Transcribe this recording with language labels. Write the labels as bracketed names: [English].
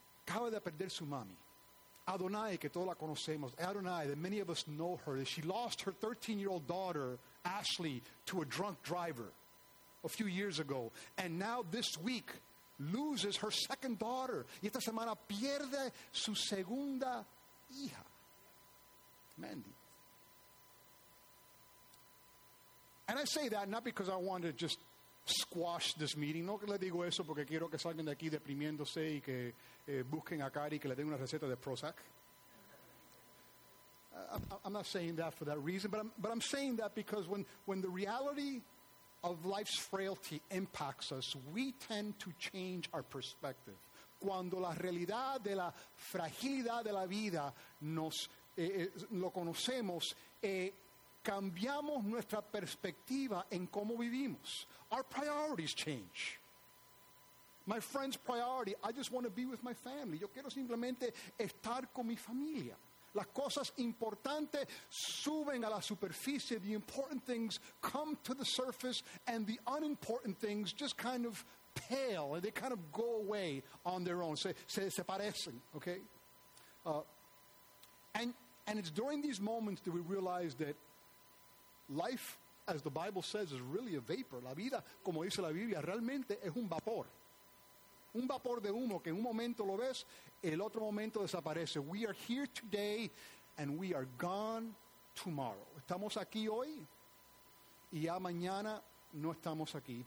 [Spanish] acaba de perder su mami. Adonai, que todos la conocemos. [English] Adonai, that many of us know her. She lost her 13-year-old daughter, Ashley, to a drunk driver a few years ago. And now this week, loses her second daughter. [Spanish] Y esta semana pierde su segunda hija, Mandy. [English] And I say that not because I want to just squash this meeting. [Spanish] No que le digo eso porque quiero que salgan de aquí deprimiéndose y que busquen a Cari que le den una receta de Prozac. [English] I'm not saying that for that reason, but I'm saying that because when the reality of life's frailty impacts us, we tend to change our perspective. [Spanish] Cuando la realidad de la fragilidad de la vida nos lo conocemos, cambiamos nuestra perspectiva en cómo vivimos. [English] Our priorities change. My friend's priority, I just want to be with my family. [Spanish] Yo quiero simplemente estar con mi familia. Las cosas importantes suben a la superficie. [English] The important things come to the surface and the unimportant things just kind of pale and they kind of go away on their own. [Spanish] Se parecen, okay? [English] And it's during these moments that we realize that life, as the Bible says, is really a vapor. [Spanish] La vida, como dice la Biblia, realmente es un vapor. Un vapor de humo que en un momento lo ves, el otro momento desaparece. [English] We are here today and we are gone tomorrow. [Spanish] Estamos aquí hoy y ya mañana no estamos aquí.